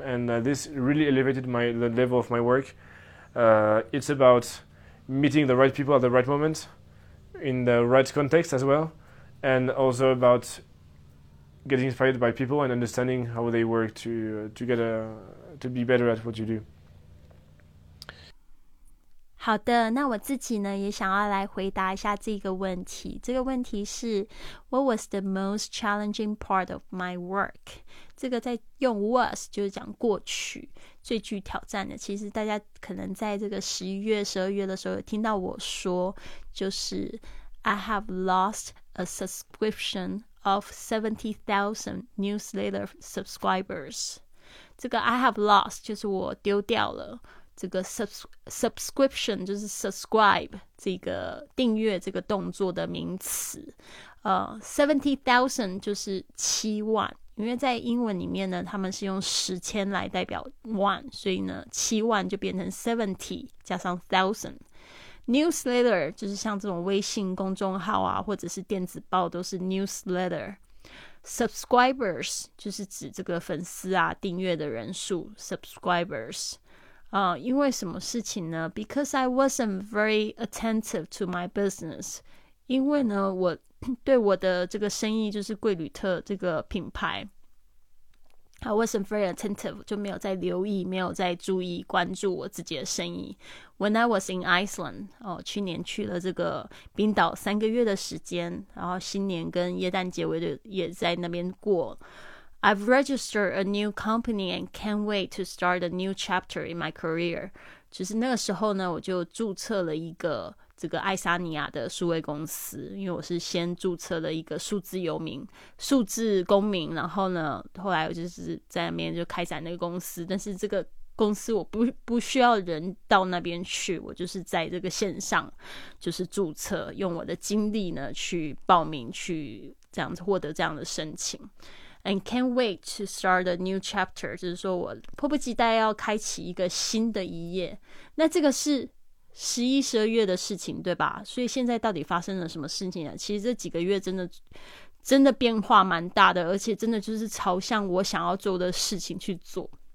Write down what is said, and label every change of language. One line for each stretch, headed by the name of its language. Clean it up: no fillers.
English: And this really elevated the level of my work. It's about meeting the right people at the right moment, in the right context as well, and also about getting inspired by people and understanding how they work to be better at what you do.
Chinese: 好的，那我自己呢，也想要来回答一下这个问题。这个问题是
English: What was the most challenging part of my work?
Chinese: 这个在用 was 就是讲过去最具挑战的。其实大家可能在这个11月、12月的时候有听到我说，就是
English: I have lost a subscription of 70,000 newsletter subscribers.
Chinese: 这个
English: I have lost
Chinese: 就是我丢掉了。这个 subscription 就是 subscribe 这个订阅这个动作的名词 70,000 就是七万，因为在英文里面呢他们是用十千来代表万，所以呢七万就变成 70 加上 1,000。 newsletter 就是像这种微信公众号啊或者是电子报都是 newsletter。 subscribers 就是指这个粉丝啊订阅的人数 subscribers。因为什么事情呢
English: ？Because I wasn't very attentive to my business.
Chinese: 因为呢，我对我的这个生意就是贵旅特这个品牌 ，
English: I wasn't very attentive，
Chinese: 就没有在留意，没有在注意关注我自己的生意。
English: When I was in Iceland，
Chinese: 去年去了这个冰岛三个月的时间，然后新年跟耶诞节我就也在那边过。
English: I've registered a new company and can't wait to start a new chapter in my career.
Chinese: 就是那个时候呢，我就注册了一个这个爱沙尼亚的数位公司，因为我是先注册了一个数字游民、数字公民，然后呢，后来我就是在那边就开展那个公司。但是这个公司我不需要人到那边去，我就是在这个线上就是注册，用我的经历呢去报名，去这样子获得这样的申请。
English: And can't wait to start a new chapter.
Chinese: 就是说我迫不及待要开启一个新的一页。那这个是十一、十二月的事情，对吧？所以现在到底发生了什么事情呢？其实这几个月真的变化蛮大的，而且真的就是朝向我想要做的事情去做。